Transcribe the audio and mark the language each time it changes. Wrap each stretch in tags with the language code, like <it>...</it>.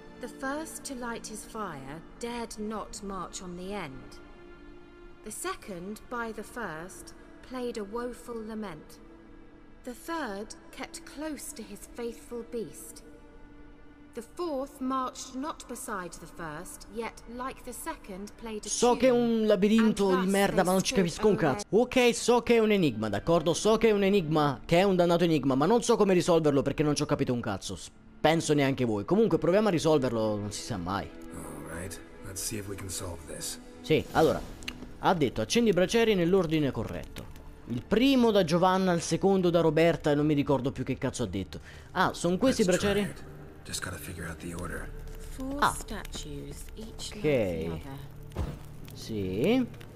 <en>The first to light his fire dared not march on the end. The second, by the first, played a woeful lament. The third kept close to his faithful beast. The fourth marched not beside the first, yet like the second played a tune.</en> <it>So che è un labirinto di merda, ma non ci capisco un cazzo. Ok, so che è un enigma, d'accordo? So che è un enigma, che è un dannato enigma, ma non so come risolverlo perché non ci ho capito un cazzo. Penso neanche voi. Comunque proviamo a risolverlo, non si sa mai.</it> <en>All right. Let's see if we can solve this.</en> <it>Sì, allora. Ha detto accendi i braccieri nell'ordine corretto. Il primo da Giovanna, il secondo da Roberta e non mi ricordo più che cazzo ha detto. Ah, sono questi i braccieri?</it> <en>Just gotta figure out the order. Ah. Ok. Sì.</en>